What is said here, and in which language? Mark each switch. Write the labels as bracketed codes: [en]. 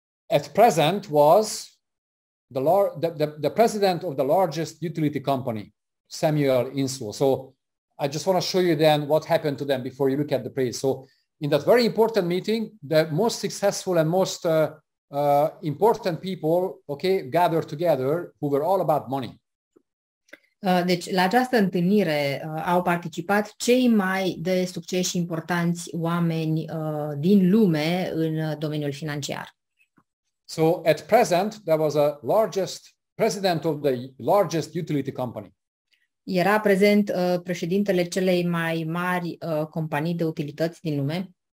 [en] At present was the president of the largest utility company, Samuel Insull. So I just want to show you then what happened to them before you look at the place. So in that very important meeting, the most successful and most important people, okay, gathered together who were all about money. [ro] Deci la această întâlnire au participat cei mai de succes și importanți oameni din lume în domeniul financiar. [en] So at present, there was a largest president of the largest utility company. [ro] Era prezent președintele celei mai mari companii de utilități din lume.